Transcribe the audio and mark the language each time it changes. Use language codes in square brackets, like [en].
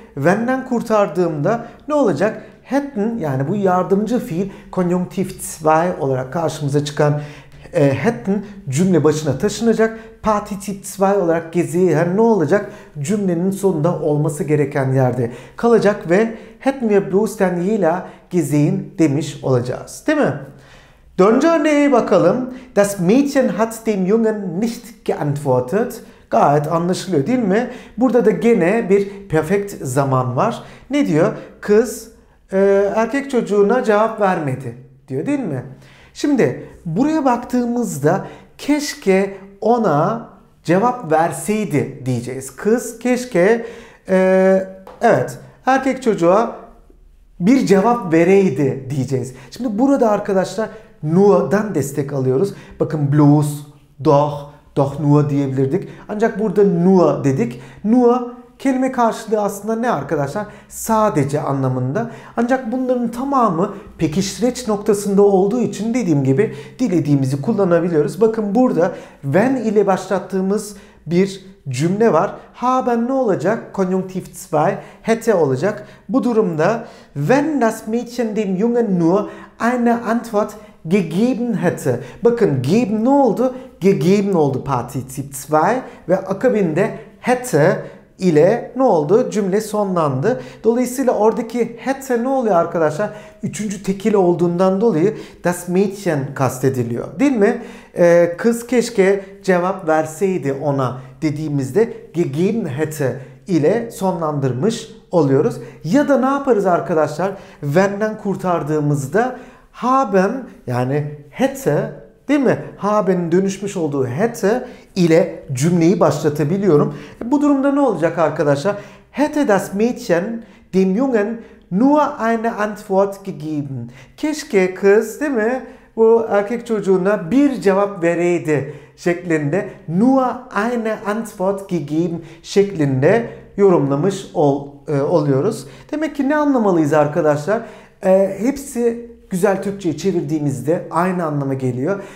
[tr] Wenn'den kurtardığımda ne olacak? Hätten yani bu yardımcı fiil konjunktiv 2 olarak karşımıza çıkan hätten cümle başına taşınacak. Partizip 2 olarak gesehen ne olacak? Cümlenin sonunda olması gereken yerde kalacak ve hätten wir bloß Daniela gesehen demiş olacağız. Değil mi? Dönce örneğe bakalım. [de] Das Mädchen hat dem Jungen nicht geantwortet. [tr] Gayet anlaşılıyor değil mi? Burada da gene bir perfekt zaman var. Ne diyor? Kız erkek çocuğuna cevap vermedi diyor değil mi? Şimdi buraya baktığımızda keşke ona cevap verseydi diyeceğiz. Kız keşke evet erkek çocuğa bir cevap vereydi diyeceğiz. Şimdi burada arkadaşlar nur'dan destek alıyoruz. Bakın bloß, doch, doch nur diyebilirdik. Ancak burada nur dedik. Nur kelime karşılığı aslında ne arkadaşlar? Sadece anlamında. Ancak bunların tamamı pekiştireç noktasında olduğu için dediğim gibi dilediğimizi kullanabiliyoruz. Bakın burada wenn ile başlattığımız bir cümle var. Haben ne olacak? Konjunktiv 2 hätte olacak. [de] Bu durumda wenn das Mädchen dem Jungen nur eine Antwort gegeben hätte. [tr] Bakın geben ne oldu? Gegeben oldu Partizip 2 ve akabinde hätte ile ne oldu? Cümle sonlandı. Dolayısıyla oradaki hätte ne oluyor arkadaşlar? Üçüncü tekil olduğundan dolayı das Mädchen kastediliyor. Değil mi? Kız keşke cevap verseydi ona dediğimizde gegeben hätte ile sonlandırmış oluyoruz. Ya da ne yaparız arkadaşlar? Wenn'den kurtardığımızda haben yani hätte değil mi? Haben'in dönüşmüş olduğu hätte ile cümleyi başlatabiliyorum. Bu durumda ne olacak arkadaşlar? [de] Hätte das Mädchen dem Jungen nur eine Antwort gegeben. [tr] Keşke kız değil mi? Bu erkek çocuğuna bir cevap vereydi şeklinde. [de] Nur eine Antwort gegeben şeklinde yorumlamış oluyoruz. [tr] Demek ki ne anlamalıyız arkadaşlar? Hepsi güzel Türkçe'ye çevirdiğimizde aynı anlama geliyor.